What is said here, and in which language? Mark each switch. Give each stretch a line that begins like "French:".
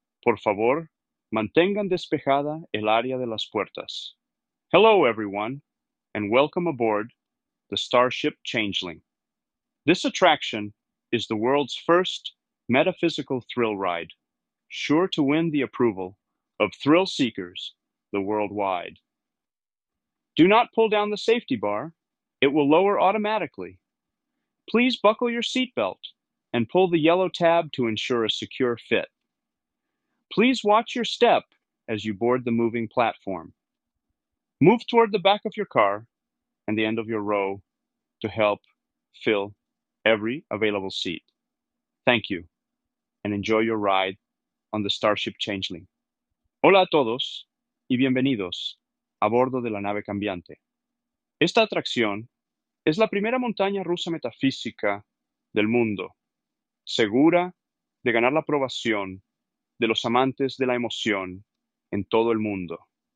Spanish: Por favor, mantengan despejada el área de las puertas.
English: Hello, everyone, and welcome aboard the Starship Changeling. This attraction is the world's first metaphysical thrill ride, sure to win the approval of thrill seekers the worldwide. Do not pull down the safety bar. It will lower automatically. Please buckle your seatbelt and pull the yellow tab to ensure a secure fit. Please watch your step as you board the moving platform. Move toward the back of your car and the end of your row to help fill every available seat. Thank you, and enjoy your ride on the Starship Changeling.
Spanish: Hola a todos y bienvenidos a bordo de la nave cambiante. Esta atracción es la primera montaña rusa metafísica del mundo, segura de ganar la aprobación de los amantes de la emoción en todo el mundo.